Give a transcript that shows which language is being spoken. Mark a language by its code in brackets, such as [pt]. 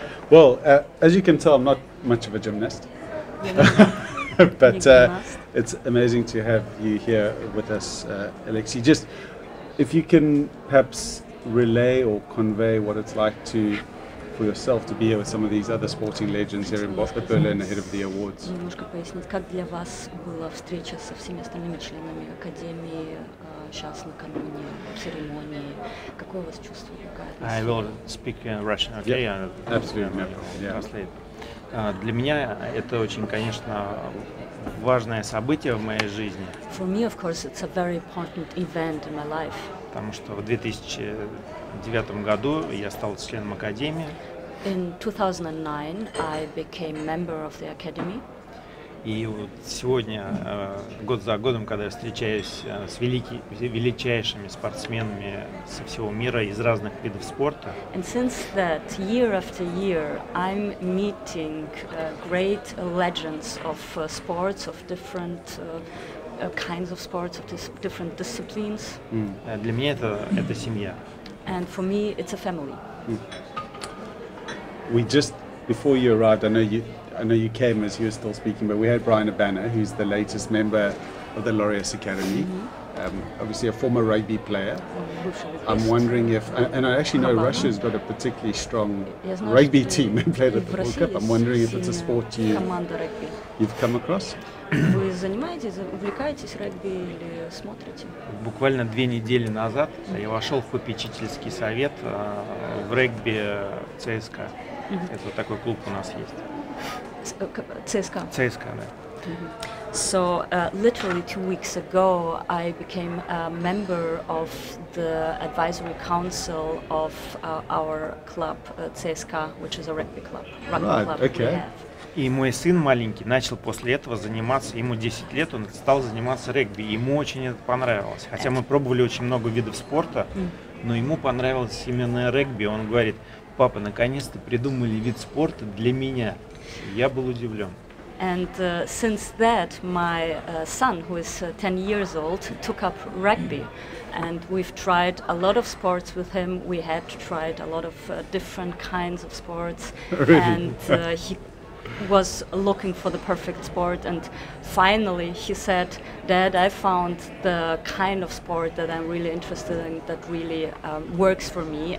[en] Well, as you can tell, I'm not much of a gymnast. But it's amazing to have you here with us, Alexey. Just if you can perhaps relay or convey what it's like to for yourself to be here with some of these other sporting legends here in Berlin ahead of the awards. [ru] Немножко пояснить, как для вас была встреча со всеми остальными членами академии сейчас накануне церемонии? Какое у вас чувство? [en] I will speak in Russian, okay? Yeah, absolutely. [ru] Для меня это очень, конечно, важное событие в моей жизни. [en] For me, of course, it's a very important event in my life. [ru] Потому что в 2009 году я стал членом академии. [en] In 2009, I became member of the academy. [ru] И вот сегодня, год за годом, когда я встречаюсь с величайшими спортсменами со всего мира из разных видов спорта. [en] And since that, year after year, I'm meeting great legends of sports, of different kinds of sports, of different disciplines. [ru] Для меня это семья. [en] And for me, it's a family. We just, before you arrived, I know you came as you were still speaking, but we had Brian Abana, who's the latest member of the Laureus Academy, mm-hmm. Obviously a former rugby player. I'm wondering if, and I actually know Russia's got a particularly strong rugby team and played at the World Cup. I'm wondering if it's a sport you've come across. [ru] Вы занимаетесь, увлекаетесь регби или смотрите? Буквально две недели назад я вошел в попечительский совет в регби ЦСКА. Это вот такой клуб у нас есть. ЦСКА? ЦСКА, да. [en] So, literally 2 weeks ago, I became a member of the advisory council of our club, ЦСКА, which is a rugby club. [ru] И мой сын маленький начал после этого заниматься, ему 10 лет, он стал заниматься регби, ему очень это понравилось. Хотя мы пробовали очень много видов спорта, но ему понравилось именно регби. Он говорит, папа, наконец-то придумали вид спорта для меня. Я был удивлен. [en] And since that, my son, who is 10 years old, took up rugby. And we've tried a lot of sports with him. We had tried a lot of different kinds of sports. Really? And he was looking for the perfect sport, and finally he said, "Dad, I found the kind of sport that I'm really interested in, that really works for me."